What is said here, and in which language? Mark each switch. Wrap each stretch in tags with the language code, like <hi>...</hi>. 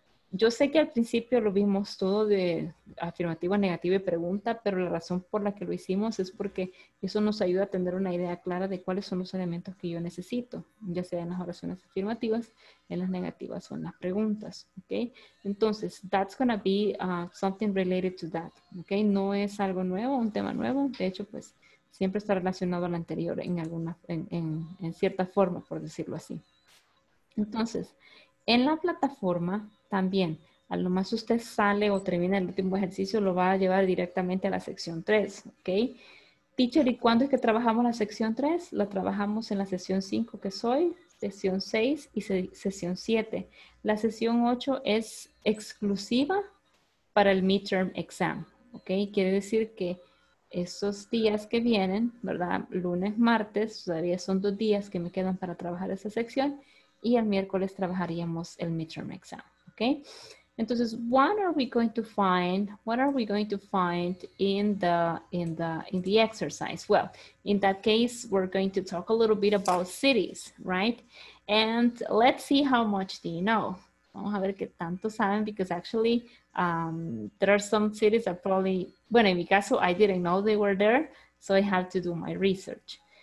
<es>Yo sé que al principio lo vimos todo de afirmativa, negativa y pregunta, pero la razón por la que lo hicimos es porque eso nos ayuda a tener una idea clara de cuáles son los elementos que yo necesito, ya sea en las oraciones afirmativas, en las negativas o en las preguntas, ¿okay?</es> <en>Entonces, that's going to be something related to that, ¿okay?</en> <es>No es algo nuevo, un tema nuevo, de hecho, pues, siempre está relacionado al anterior en alguna, en cierta forma, por decirlo así. Entonces, en la plataforma también, a lo más usted sale o termina el último ejercicio, lo va a llevar directamente a la sección 3, ¿ok? Teacher, ¿y cuándo es que trabajamos la sección 3? La trabajamos en la sesión 5, que es hoy, sesión 6 y sesión 7. La sesión 8 es exclusiva para el midterm exam, ¿ok? Quiere decir que esos días que vienen, ¿verdad? Lunes, martes, todavía son 2 días que me quedan para trabajar esa sección y el miércoles trabajaríamos el midterm exam, ¿okay?</es> <en>Entonces, what are we going to find in the exercise? Well, in that case, we're going to talk a little bit about cities, right? And let's see how much do you know.</en> <es>Vamos a ver qué tanto saben,</es> <en>because actually, there are some cities that probably,</en> <es>bueno, en mi caso,</es> <en>I didn't know they were there, so I had to do my research.</en>